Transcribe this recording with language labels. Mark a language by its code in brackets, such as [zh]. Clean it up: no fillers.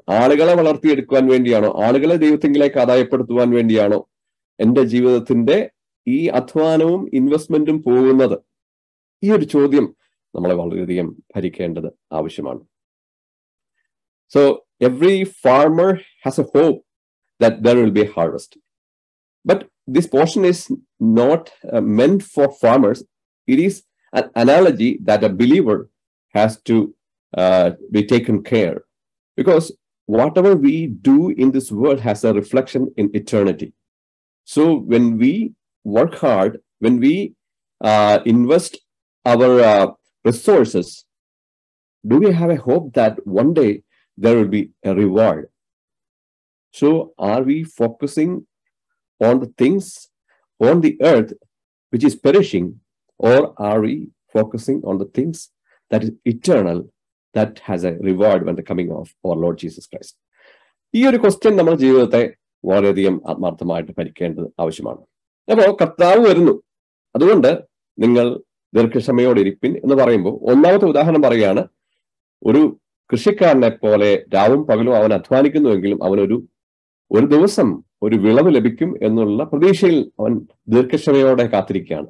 [ml] ആളുകളെ വളർത്തിയെടുക്കുവാൻ വേണ്ടിയാണോ, ആളുകളെ ദൈവത്തെങ്കിലേക്ക് ആദായപ്പെടുത്തുവാൻ വേണ്ടിയാണോ എന്റെ ജീവിതത്തിന്റെ ഈ അധ്വാനവും ഇൻവെസ്റ്റ്മെന്റും പോകുന്നത്? ഈ ഒരു ചോദ്യം നമ്മളെ വളരെയധികം ഭരിക്കേണ്ടത് ആവശ്യമാണ്. [en] So every farmer has a hope that there will be a harvest. But this portion is not meant for farmers. It is an analogy that a believer has to be taken care of. Because whatever we do in this world has a reflection in eternity. So when we work hard, when we invest our resources, do we have a hope that one day there will be a reward? So are we focusing on the things on the earth which is perishing, or are we focusing on the things that is eternal, that has a reward when the coming of our Lord Jesus Christ? [ml] ഈ ഒരു question നമ്മുടെ ജീവിതത്തെ വളരെയധികം ആത്മാർത്ഥമായിട്ട് ഭരിക്കേണ്ടത് ആവശ്യമാണ്. അപ്പോ കർത്താവ് വരുന്നു, അതുകൊണ്ട് നിങ്ങൾ ദീർഘക്ഷമയോടെ ഇരിപ്പിൻ എന്ന് പറയുമ്പോൾ ഒന്നാമത്തെ ഉദാഹരണം പറയുകയാണ്, ഒരു കൃഷിക്കാരനെ പോലെ രാവും പകലും അവൻ അധ്വാനിക്കുന്നുവെങ്കിലും അവനൊരു ഒരു ദിവസം ഒരു വിളവ് ലഭിക്കും എന്നുള്ള പ്രതീക്ഷയിൽ അവൻ ദീർഘക്ഷമയോടെ കാത്തിരിക്കുകയാണ്.